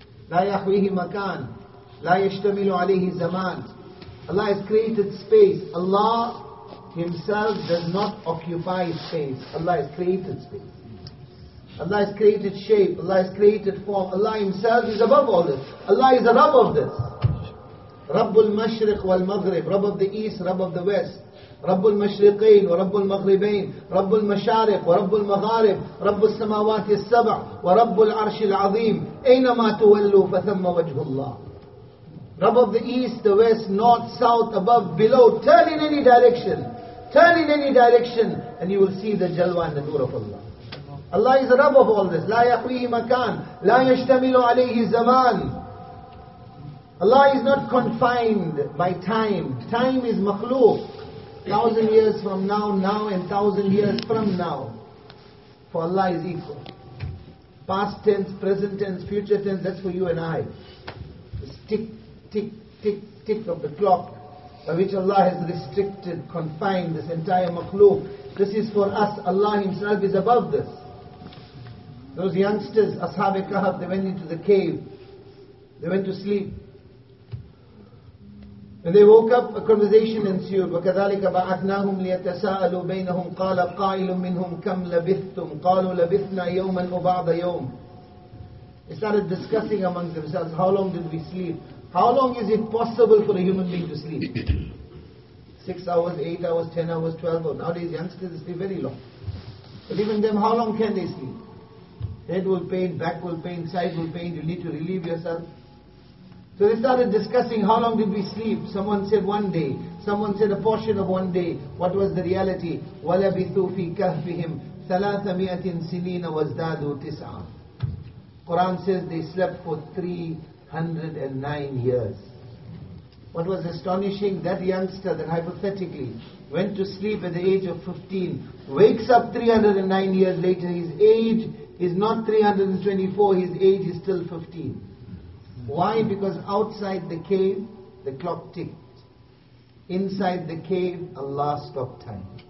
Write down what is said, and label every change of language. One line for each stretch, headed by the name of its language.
Arabic: لَا يَحْوِهِ مَكَانٍ لَا يَشْتَمِلُ عَلَيْهِ زَمَانٍ
English: Allah has created space. Allah Himself does not occupy space. Allah has created space. Allah has created shape. Allah has created form. Allah Himself is above all this. Allah is the Rabb of this.
Arabic: رَبُّ الْمَشْرِقِ وَالْمَغْرِبِ
English: Rabb of the East, Rabb of the West.
Arabic: رَبُّ الْمَشْرِقَيْنِ وَرَبُّ الْمَغْرِبَيْنِ رَبُّ الْمَشَارِقِ وَرَبُّ الْمَغَارِبِ رَبُّ السَّمَاوَاتِ السَّبْعِ وَرَبُّ الْعَرْشِ الْعَظِيمِ أَيْنَمَا تُوَلُّوا فَثَمَّ وَجْهُ اللَّهِ
English: Rabb of the East, the West, North, South, above, below, turn in any direction. Turn in any direction and you will see the jalwa and the nur of Allah. Allah is the Rabb of all this.
Arabic: لَا يَحْوِيهِ مَكَانٍ لَا يَشْتَمِلُ عَلَيْهِ زَمَانٍ
English: Allah is not confined by time. Time is makhluq. 1,000 years from now, now and 1,000 years from now. For Allah is equal. Past tense, present tense, future tense, that's for you and I. This tick, tick, tick, tick of the clock by which Allah has restricted, confined this entire makhluq. This is for us. Allah Himself is above this. Those youngsters, Ashab al-Kahf, they went into the cave. They went to sleep. When they woke up, a conversation ensued.
Arabic: وَكَذَلِكَ بَعَثْنَاهُمْ لِيَتَسَاءَلُوا بَيْنَهُمْ قَالَ قَائِلٌ مِّنْهُمْ كَمْ لَبِثْتُمْ قَالُوا لَبِثْنَا يَوْمًا وَبَعْضَ يَوْمٍ
English: They started discussing among themselves, how long did we sleep? How long is it possible for a human being to sleep? 6 hours, 8 hours, 10 hours, 12 hours. Nowadays, youngsters sleep very long. But even them, how long can they sleep? Head will pain, back will pain, side will pain, you need to relieve yourself. So they started discussing how long did we sleep. Someone said one day. Someone said a portion of one day. What was the reality?
Arabic: وَلَبِثُوا فِي كَهْفِهِمْ ثَلَاثَ مِئَةٍ سِنِينَ وَازْدَادُوا تِسْعًا
English: Quran says they slept for 309 years. What was astonishing, that youngster that hypothetically went to sleep at the age of 15, wakes up 309 years later. His age is not 324, his age is still 15. Why? Because outside the cave, the clock ticked. Inside the cave, Allah stopped time.